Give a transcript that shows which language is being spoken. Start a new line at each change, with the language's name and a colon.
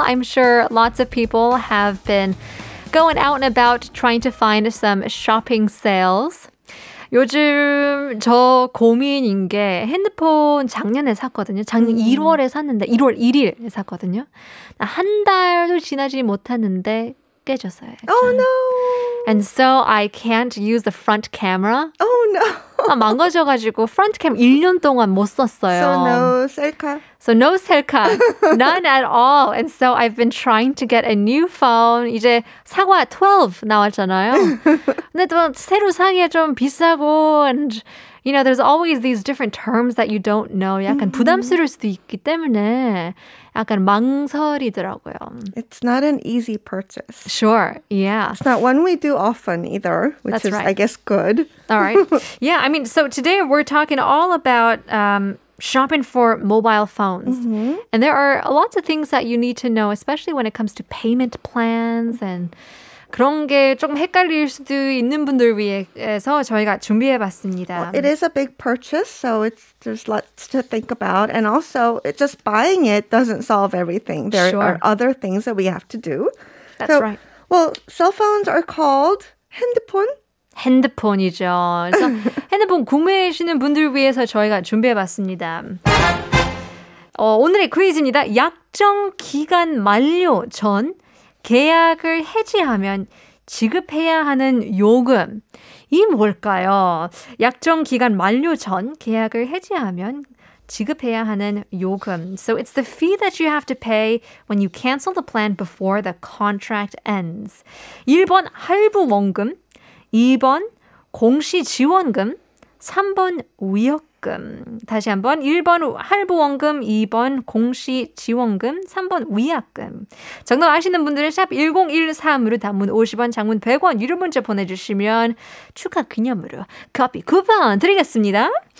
English: I'm sure lots of people have been going out and about trying to find some shopping sales.
Korean: 요즘 저 고민인 게 핸드폰 작년에 샀거든요. 작년 1월에 샀는데 1월 1일에 샀거든요. 한 달도 지나지 못했는데 깨졌어요.
English: 약간. Oh no! And so I can't use the front camera. Oh no!
Korean: 아, 망가져가지고 front cam 1년 동안 못 썼어요.
English: So no 셀카. So no 셀카. None at all. And so I've been trying to get a new phone.
Korean: 이제 사과 12 나왔잖아요. 근데 또 새로 사기에 좀 비싸고
English: and you know, there's always these different terms that you don't know.
Korean: 약간 부담스러울 수도 있기 때문에 약간 망설이더라고요.
English: It's not an easy purchase. Sure, yeah. It's not one we do often either, which That's is, right. I guess, good. All right. Yeah, I mean, so today we're talking all about shopping for mobile phones. Mm-hmm. And there are lots of things that you need to know, especially when it comes to payment plans and
Korean: 그런 게 조금 헷갈릴 수도 있는 분들 위해서 저희가 준비해 봤습니다.
English: Well, it is a big purchase, so it's, there's lots to think about. And also, it, just buying it doesn't solve everything. There sure. are other things that we have to do. That's so, right. Well, cell phones are called 핸드폰.
Korean: 핸드폰이죠. 그래서 핸드폰 구매하시는 분들 위해서 저희가 준비해 봤습니다. 오늘의 퀴즈입니다. 약정 기간 만료 전 계약을 해지하면 지급해야 하는 요금이 뭘까요? 약정 기간 만료 전 계약을 해지하면 지급해야 하는 요금.
English: So it's the fee that you have to pay when you cancel the plan before the contract ends.
Korean: 1번 할부 원금, 2번 공시 지원금, 3번 위약금. 다시 한번 1번 할부 원금, 2번 공시 지원금, 3번 위약금. 정답 아시는 분들은 샵 1013으로 단문 50원, 장문 100원 유료 문자 보내주시면 추가 기념으로 커피 쿠폰 드리겠습니다.